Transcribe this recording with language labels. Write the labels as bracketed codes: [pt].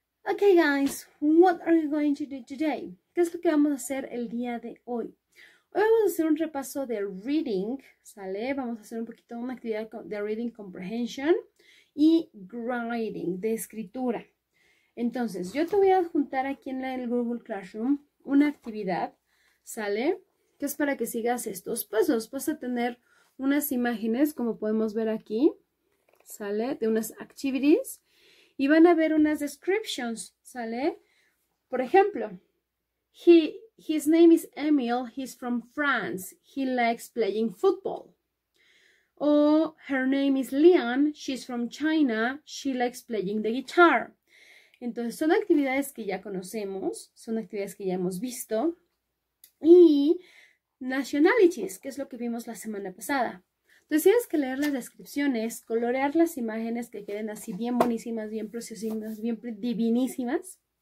[en] Okay guys, what are you going to do today? [es] ¿Qué es lo que vamos a hacer el día de hoy? Hoy vamos a hacer un repaso de reading, ¿sale? Vamos a hacer un poquito una actividad de reading comprehension y writing, de escritura. Entonces, yo te voy a juntar aquí en el Google Classroom una actividad, ¿sale? Que es para que sigas estos pasos. Vas a tener unas imágenes, como podemos ver aquí, ¿sale? De unas activities. Y van a ver unas descriptions, ¿sale? [en] Por ejemplo, his name is Emil, he's from France, he likes playing football. O her name is Lian, she's from China, she likes playing the guitar. [es] Entonces, son actividades que ya conocemos, son actividades que ya hemos visto. Y nationalities, que es lo que vimos la semana pasada. Entonces, tienes que leer las descripciones, colorear las imágenes que queden así bien buenísimas, bien preciosísimas, bien divinísimas.